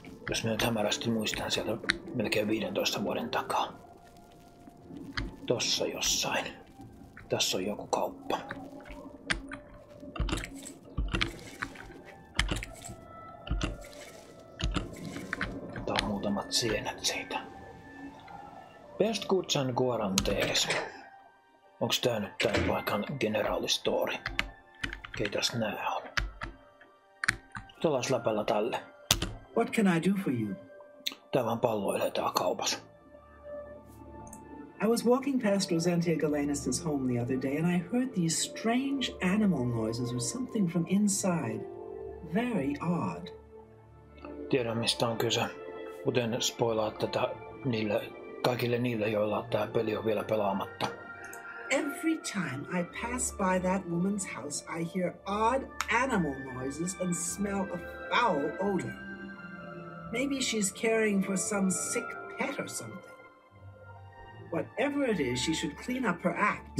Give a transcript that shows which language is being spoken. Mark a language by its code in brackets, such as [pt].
[fi] Jos minä nyt hämärästi muistan sieltä melkein 15 vuoden takaa. Tossa jossain. Tässä on joku kauppa. Tää on muutamat sienet siitä. [en] Best goods and guarantees. [fi] Onks tää nyt tän paikan generaalistori? Keitäs nää on? Tällais läpällä tälle. [en] What can I do for you? [fi] Tää vaan palloilee tää kaupas. [en] I was walking past Rosentia Galenus's home the other day and I heard these strange animal noises or something from inside. Very odd. [fi] Tiedän mistä on kyse. Kuten spoilaat tätä niille, kaikille niille, joilla tää peli on vielä pelaamatta. [en] Every time I pass by that woman's house, I hear odd animal noises and smell a foul odor. Maybe she's caring for some sick pet or something. Whatever it is, she should clean up her act.